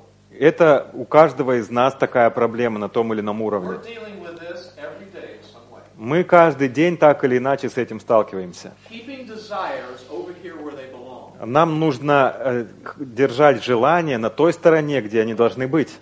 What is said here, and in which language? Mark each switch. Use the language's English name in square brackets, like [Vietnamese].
[Russian] Это у каждого из нас такая проблема на том или ином уровне. [English] We're dealing with this every day in some way. [Russian] Мы каждый день так или иначе с этим сталкиваемся. [English] Keeping desires over here where they belong. [Russian] Нам нужно держать желания на той стороне, где они должны быть.